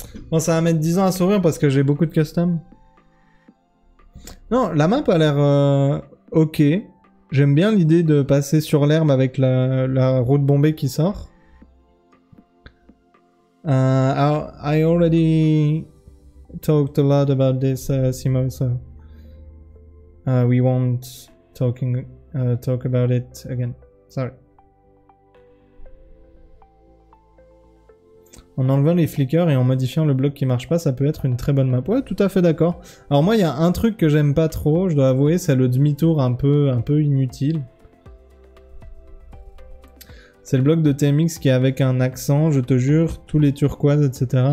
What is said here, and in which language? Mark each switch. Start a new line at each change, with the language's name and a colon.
French: Bon, ça va mettre 10 ans à s'ouvrir parce que j'ai beaucoup de custom. Non, la map a l'air ok. J'aime bien l'idée de passer sur l'herbe avec la route bombée qui sort.
English: I already talked a lot about this, Simo, so we won't talk about it again. Sorry.
French: En enlevant les flickers et en modifiant le bloc qui marche pas, ça peut être une très bonne map. Ouais, tout à fait d'accord. Alors moi, il y a un truc que j'aime pas trop, je dois avouer, c'est le demi-tour un peu inutile. C'est le bloc de TMX qui est avec un accent, je te jure, tous les turquoises, etc.